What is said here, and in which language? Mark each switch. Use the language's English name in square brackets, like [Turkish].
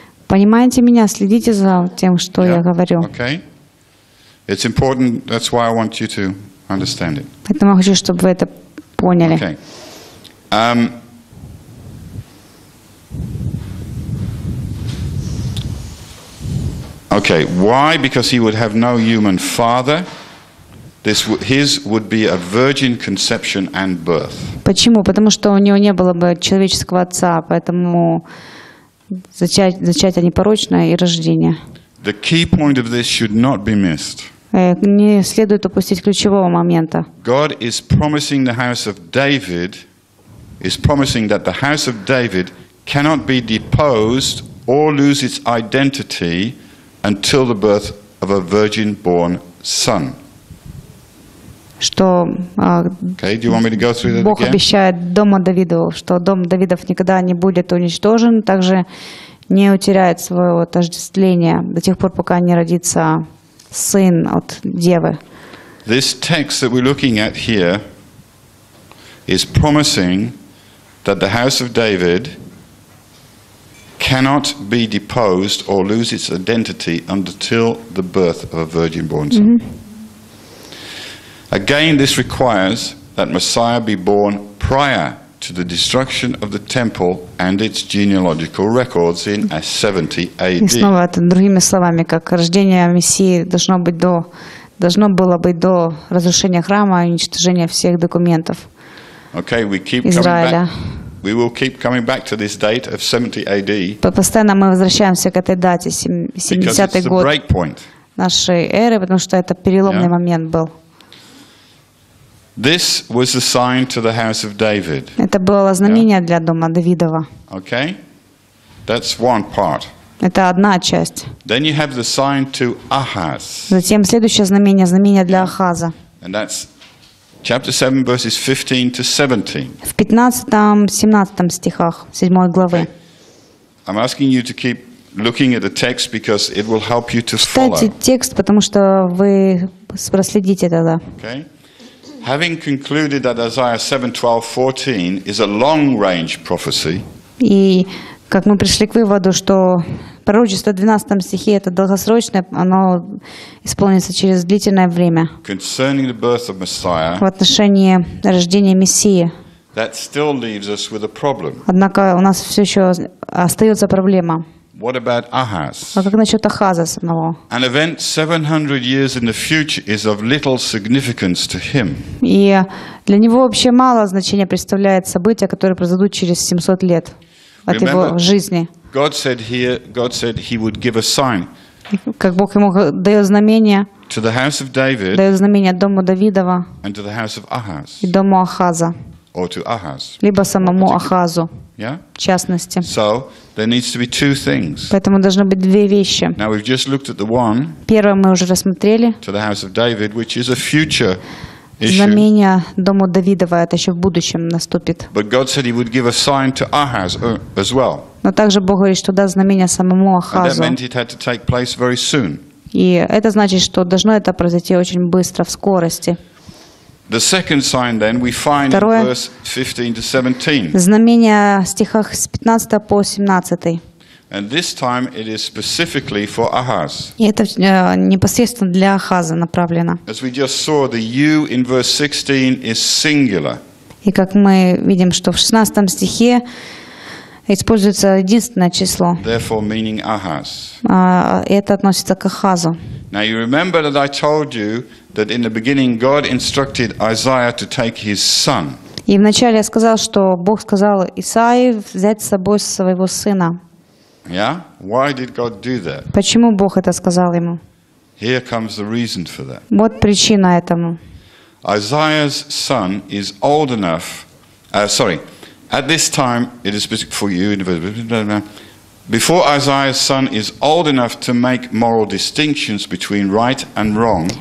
[Russian] Понимаете меня, следите за тем, что [English] yeah. [Russian] я говорю. [English] Okay. It's important, that's why I want you to understand it. [Russian] Поэтому я хочу, чтобы вы это поняли. [English] Okay. Okay, why? Because he would have no human father. His would be a virgin conception and birth. [Russian] Почему? Потому что у него не было бы человеческого отца, поэтому зачатие непорочное и рождение. [English] The key point of this should not be missed. [Russian] Не следует упустить ключевого момента. [English] God is promising the house of David, is promising that the house of David cannot be deposed or lose its identity until the birth of a virgin-born son. [Russian] Что? [English] Okay, do you want me to go through that [Russian] Бог [English] again? [Russian] Обещает дому Давиду, что дом Давидов никогда не будет уничтожен, также не утеряет своего отождествления до тех пор, пока не родится сын от девы. [English] This text that we're looking at here is promising that the house of David cannot be deposed or lose its identity until the birth of a virgin-born son. Mm-hmm. Again, this requires that Messiah be born prior to the destruction of the temple and its genealogical records in 70 A.D. [Russian] И снова это другими словами, как рождение Мессии должно было быть до разрушения храма и уничтожения всех документов Израиля. [English] We will keep coming back to this date of 70 AD. [Russian] Постоянно мы возвращаемся к этой дате, 70-й год нашей эры, потому что это переломный момент был. [English] This was the sign to the house of David. [Russian] Это было знамение для дома Давидова. [English] Okay? That's one part. [Russian] Это одна часть. [English] Then you have the sign to Ahaz. [Russian] Затем следующее знамение, знамение для Ахаза. [English] And that's Chapter 7, verses 15 to 17. [Russian] В 15-17 стихах 7 главы. [English] I'm asking you to keep looking at the text because it will help you to follow. [Russian] Читайте текст, потому что вы проследите тогда. [English] Okay. Having concluded that Isaiah 7:12-14 is a long-range prophecy. [Russian] И как мы пришли к выводу, что пророчество в 12 стихе это долгосрочное, оно исполнится через длительное время. [English] Concerning the birth of Messiah, [Russian] в отношении рождения Мессии. [English] That still leaves us with a problem. [Russian] Однако у нас все еще остается проблема. [English] What about Ahaz? [Russian] А как насчет Ахаза самого? [English] An event 700 years in the future is of little significance to him. [Russian] И для него вообще мало значения представляет события, которые произойдут через 700 лет. От его жизни. [English] God said here, God said he would give a sign. [Russian] Как Бог ему дает знамение. [English] To the house of David. [Russian] Дает знамение дому Давидова. [English] And to the house of Ahaz. [Russian] И дому Ахаза. [English] Or to Ahaz. [Russian] Либо самому Ахазу. [English] Yeah. [Russian] В частности. [English] So there needs to be two things. [Russian] Поэтому должны быть две вещи. [English] Now we've just looked at the one. [Russian] Первое мы уже рассмотрели. [English] To the house of David, which is a future. [Russian] Знамение дому Давидова это еще в будущем наступит. [English] But God said he would give a sign to Ahaz as well. [Russian] Но также Бог говорит, что даст знамение самому Ахазу. [English] And that meant it had to take place very soon. [Russian] И это значит, что должно это произойти очень быстро, в скорости. [English] The second sign then we find in verse 15 to 17. [Russian] Знамение в стихах с 15 по 17. [English] And this time it is specifically for Ahaz. [Russian] И это непосредственно для Ахаза направлено. [English] As we just saw, the you in verse 16 is singular. [Russian] И как мы видим, что в 16 стихе используется единственное число. [English] Therefore meaning Ahaz. [Russian] Это относится к Ахазу. [English] Now you remember that I told you that in the beginning God instructed Isaiah to take his son. [Russian] И вначале я сказал, что Бог сказал Исаии взять с собой своего сына. [English] Yeah? Why did God do that? [Russian] Почему Бог это сказал ему? [English] Here comes the reason for that. [Russian] Вот причина этому. [English] Isaiah's son is old enough. At this time, it is specific for you. Before Isaiah's son is old enough to make moral distinctions between right and wrong.